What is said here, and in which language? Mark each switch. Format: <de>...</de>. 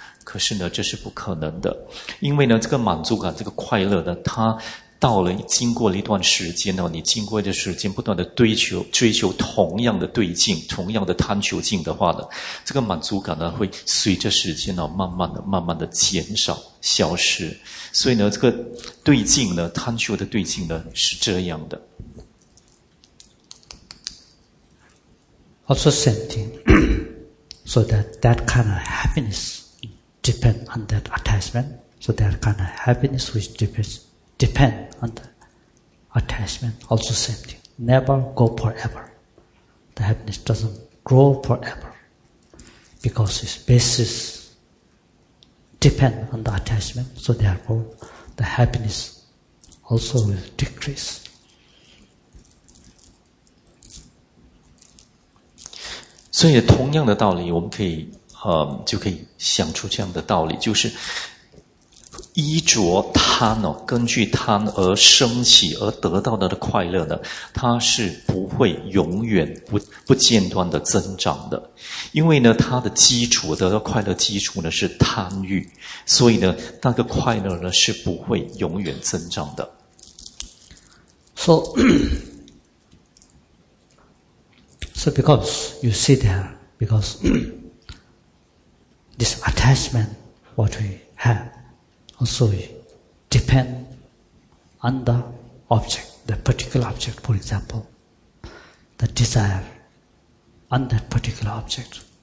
<zh>可是呢，这是不可能的，因为呢，这个满足感、这个快乐呢，它到了经过了一段时间，你经过一段时间不断的追求同样的对境，同样的贪求境的话呢，这个满足感呢会随着时间呢慢慢的慢慢的减少消失。所以呢，这个对境呢，贪求的对境呢是这样的。</zh> <en>Also same thing, so that kind of happiness depend on that attachment. So that kind of happiness which depends on the attachment, also same thing. Never go forever. The happiness doesn't grow forever because its basis depends on the attachment, so therefore the happiness also will decrease.</en> <zh>所以同样的道理，我们可以就可以想出这样的道理，就是依着贪哦，根据贪而升起而得到的快乐呢，它是不会永远不间断的增长的，因为呢，它的基础得到快乐基础呢是贪欲，所以呢，那个快乐呢是不会永远增长的。</zh> <en>So because you see there, because this attachment what we have. Also, depend on the object, the particular object, for example, the desire on that particular object.</en>